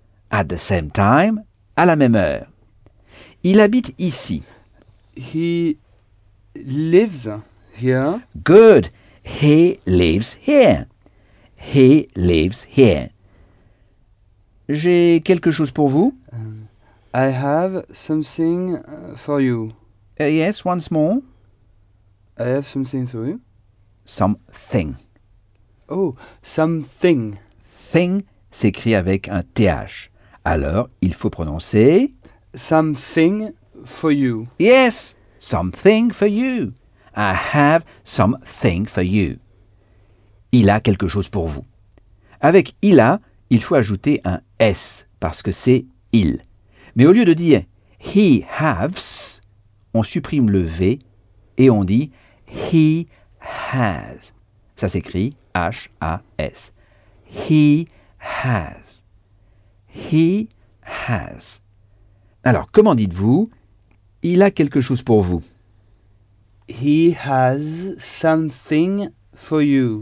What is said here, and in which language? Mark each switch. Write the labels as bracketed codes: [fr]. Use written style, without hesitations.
[en] At the same time, [fr] à la même heure. Il habite ici. [en] He lives here. Good. He lives here. He lives here. [fr] J'ai quelque chose pour vous. [en] I have something for you. Yes, once more. I have something for you. Something. Oh, something. [fr] Thing s'écrit avec un TH. Alors, il faut prononcer... [en] Something for you. Yes, something for you. I have something for you. [fr] Il a quelque chose pour vous. Avec il a, il faut ajouter un S parce que c'est il. Mais au lieu de dire [en] he has... [fr] On supprime le V et on dit « he has ». Ça s'écrit « H-A-S ».« [en] He has [fr] ».« He has ». Alors, comment dites-vous « il a quelque chose pour vous »?« [en] He has something for you ».